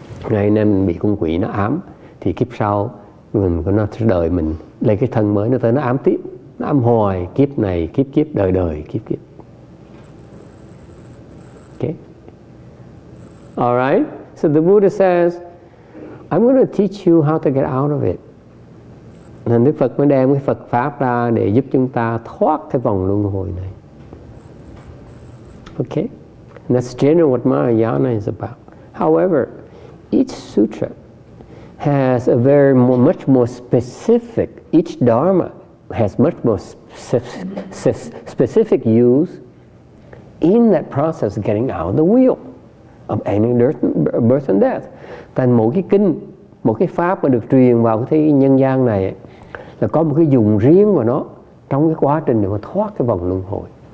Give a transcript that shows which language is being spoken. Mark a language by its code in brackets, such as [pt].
[vi] Ngày nay mình bị con quỷ nó ám, thì kiếp sau mình có nó đợi mình lấy cái thân mới nó tới nó ám tiếp. Nó ám hoài kiếp này, kiếp đời đời, kiếp. [en] Okay? Alright? So the Buddha says, I'm going to teach you how to get out of it. [vi] Nên Đức Phật mới đem cái Phật Pháp ra để giúp chúng ta thoát cái vòng luân hồi này. [en] Okay? And that's generally what Mahayana is about. However, each sutra has a very much more specific, each dharma has much more specific use in that process of getting out of the wheel of ending birth and death. [vi] Tại mỗi cái kinh, mỗi cái pháp mà được truyền vào cái thế nhân gian này ấy, là có một cái dùng riêng của nó trong cái quá trình để mà thoát cái vòng luân hồi.